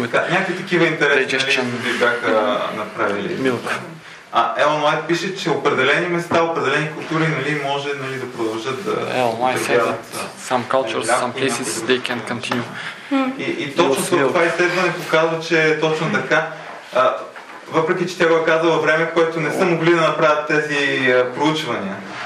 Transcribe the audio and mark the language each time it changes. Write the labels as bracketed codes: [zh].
[bg] Някакви такива интересни нали, бяха направили. [en] Milk. [bg] А Елън Уайт пише, че определени места, определени култури нали, може нали, да продължат да трябват. [en] Some cultures, some places, they can continue. [bg] И точно това изследване показва, че е точно така. Въпреки, че тя го е казала време, което не са могли да направят тези проучвания.